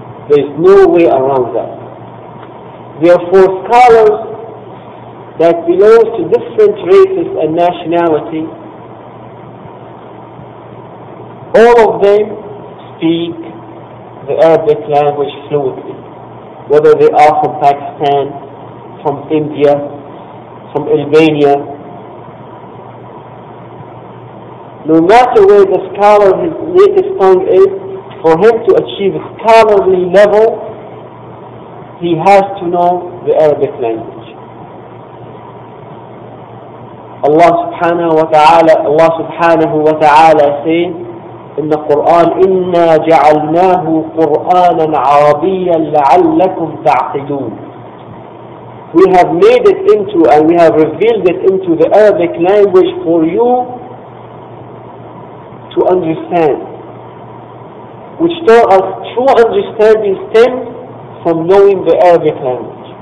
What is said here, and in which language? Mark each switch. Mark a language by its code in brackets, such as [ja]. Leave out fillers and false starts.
[en] There is no way around that. Therefore, scholars that belong to different races and nationalities, all of them speak the Arabic language fluently, whether they are from Pakistan, from India, from Albania. No matter where the scholar his native tongue is, for him to achieve a scholarly level, he has to know the Arabic language. Allah subhanahu wa ta'ala says, [ar] إن القرآن إنا جعلناه قرآنا عربيا لعلكم تعقلون. [en] We have made it into and we have revealed it into the Arabic language for you to understand. Which tells us true understanding stems from knowing the Arabic language.